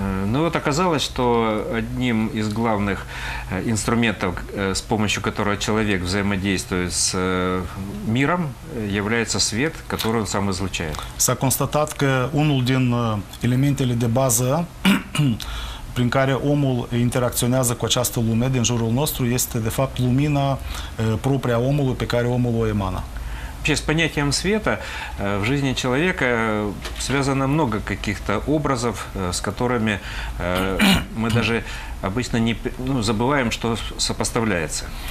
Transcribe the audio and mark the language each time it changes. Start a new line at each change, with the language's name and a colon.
Russian: Ну вот оказалось, что одним из главных инструментов, с помощью которого человек взаимодействует с миром, является свет, который он сам излучает.
Romanian: S-a constatat că unul din elementele de bază prin care omul interacționează cu această lume din jurul nostru este, de fapt, lumina propria omului pe care omul o emană.
Russian: Вообще, с понятием света в жизни человека связано много каких-то образов, с которыми мы даже обычно не, ну, забываем, что сопоставляется.